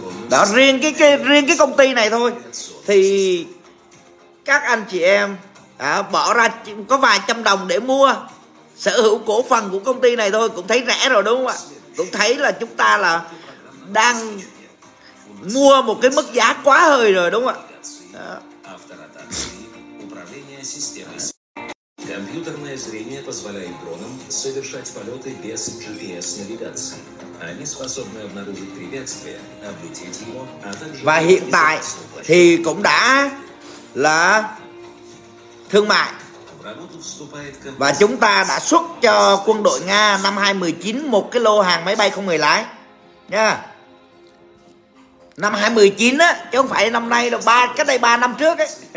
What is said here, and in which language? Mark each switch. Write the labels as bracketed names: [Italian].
[Vietnamese] Đó, riêng cái công ty này thôi thì các anh chị em đã bỏ ra có vài trăm đồng để mua sở hữu cổ phần của công ty này thôi cũng thấy rẻ rồi, đúng không ạ? Cũng thấy là chúng ta là đang mua một cái mức giá quá hời rồi, đúng không ạ? Đó. [Russian] Компьютерное зрение позволяет дронам совершать полеты без GPS-навигации. Они способны обнаружить препятствие, облететь его, а также... [Vietnamese] Và hiện tại thì cũng đã là thương mại. Và chúng ta đã xuất cho quân đội Nga năm 2019 một cái lô hàng máy bay không người lái nha. Năm 2019 á, chứ không phải năm nay đâu, cách đây 3 năm trước ấy.